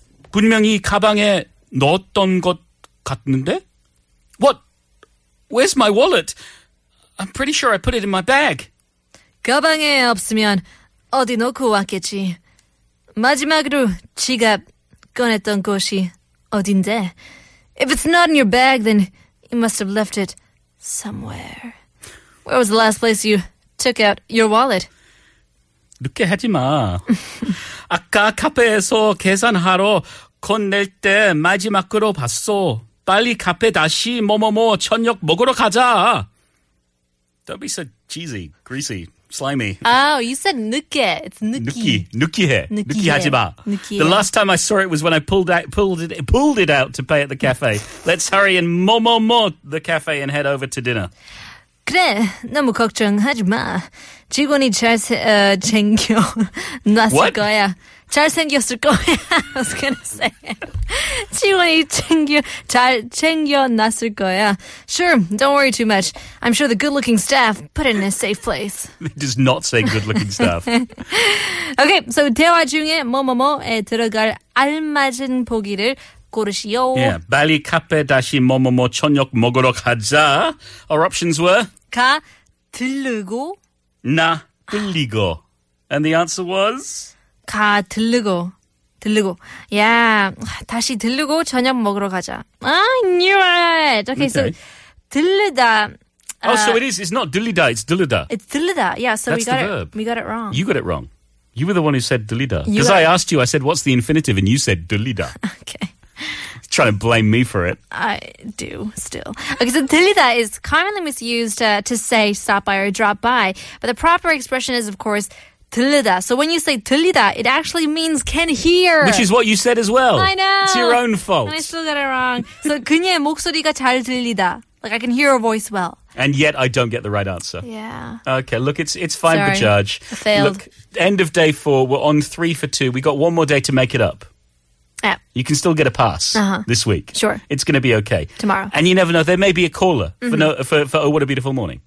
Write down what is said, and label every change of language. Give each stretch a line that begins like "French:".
Korean: 분명히 가방에 넣었던 것 같는데?
English: What? Where's my wallet? I'm pretty sure I put it in my bag.
Korean: 가방에 없으면 어디 놓고 왔겠지. 마지막으로 지갑 꺼냈던 곳이 어딘데?
English: If it's not in your bag, then you must have left it somewhere. Where was the last place you took out your wallet?
Korean: 늦게 하지 마. 아까 카페에서 계산하러 건넬 때 마지막으로 봤어. 빨리 카페 다시 뭐뭐뭐 저녁 먹으러 가자.
English: Don't be so cheesy, greasy, slimy. Oh, you said 늦게. It's 늦기.
Korean: 늦기해. 늦기하지 마. 늦기해.
English: The last time I saw it was when I pulled it out to pay at the cafe. Let's hurry and 뭐뭐뭐 the cafe and head over to dinner.
Korean: 그래, 너무 걱정하지 마. 직원이 잘 챙겨 놨을
English: what?
Korean: 거야. 잘 생겼을 거야.
English: I was gonna say.
Korean: 직원이 잘 챙겨 놨을 거야.
English: Sure, don't worry too much. I'm sure the good-looking staff put it in a safe place. It does not say good-looking staff. Okay, so
Korean: 대화 중에 뭐뭐뭐에 들어갈 알맞은 보기를 고르시오. Yeah, 빨리 카페 다시 뭐뭐뭐 저녁 먹으러 가자.
English: Our options were?
Korean: 가 들르고. 나 들리고.
English: And the answer was?
Korean: 가 들르고. 들르고. Yeah, 다시 들르고 저녁 먹으러 가자.
English: I knew it. Okay, so 들르다. Oh, so it is. It's not 들리다. It's 들르다. It's 들르다. Yeah, so that's we got the it. Verb. We got it wrong. You got it wrong. You were the one who said 들리다. Because I asked you, I said, what's the infinitive? And you said 들리다. Okay. Trying to blame me for it. I do still. Okay, so 들리다 is commonly misused to say stop by or drop by. But the proper expression is, of course, 들리다. So when you say 들리다, it actually means can hear. Which is what you said as well. I know. It's your own fault. And I still got it wrong.
Korean: So 그녀의 목소리가 잘 들리다.
English: Like I can hear her voice well. And yet I don't get the right answer. Yeah. Okay, look, it's fine, sorry. Bajaj. I failed. Look, end of day four. We're on 3-2. We got one more day to make it up. Yeah. You can still get a pass this week. Sure. It's going to be okay. Tomorrow. And you never know. There may be a caller for Oh What a Beautiful Morning.